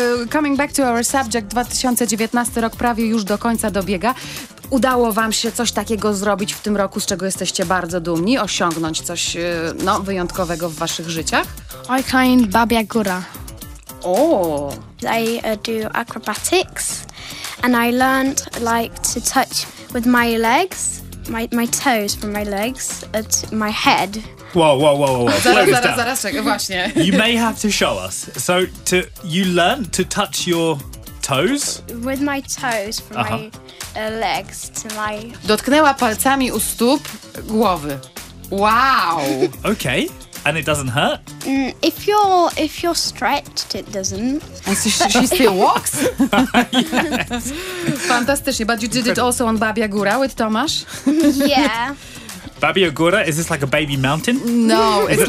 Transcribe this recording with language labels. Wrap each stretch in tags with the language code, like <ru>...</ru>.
<en>Coming back to our subject,</en> <pl>2019 rok prawie już do końca dobiega. Udało wam się coś takiego zrobić w tym roku, z czego jesteście bardzo dumni, osiągnąć coś wyjątkowego w waszych życiach?</pl> <en>I climbed Babia Góra. Oh. I do acrobatics and I learned, like, to touch with my legs, my toes from my legs at my head. Whoa.</en> <pl>Zaraz, czekaj, właśnie.</pl> <en>You may have to show us. So you learned to touch your toes? With my toes from my legs to my...</en> <pl>Dotknęła palcami u stóp głowy.</pl> <en>Wow. Okay. And it doesn't hurt? If you're stretched, it doesn't. And so she still walks? Yes.</en> <pl>Fantastycznie.</pl> <en>But you did it also on Babia Góra with Tomasz? Yeah. Babia Góra, is this like a baby mountain? No, it's</en>